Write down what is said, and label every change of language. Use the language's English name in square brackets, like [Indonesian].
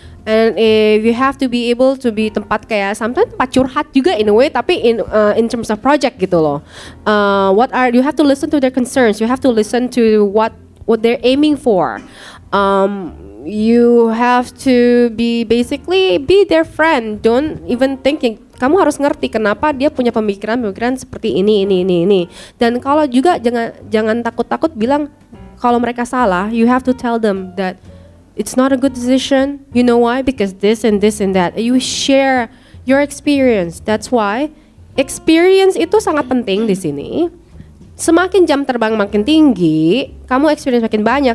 [English] And if you have to be able to be [Indonesian] tempat kayak [English] sometimes [Indonesian] tempat curhat juga [English] in a way, [Indonesian] tapi [English] in terms of project [Indonesian] gitu loh. [English] What are you have to listen to their concerns. You have to listen to what they're aiming for. You have to be basically be their friend. Don't even thinking. [Indonesian] Kamu harus ngerti kenapa dia punya pemikiran-pemikiran seperti ini. Dan kalau juga jangan takut-takut bilang kalau mereka salah. [English] You have to tell them that it's not a good decision. You know why? Because this and this and that. You share your experience. That's why [Indonesian] experience itu sangat penting di sini. Semakin jam terbang makin tinggi, kamu experience makin banyak.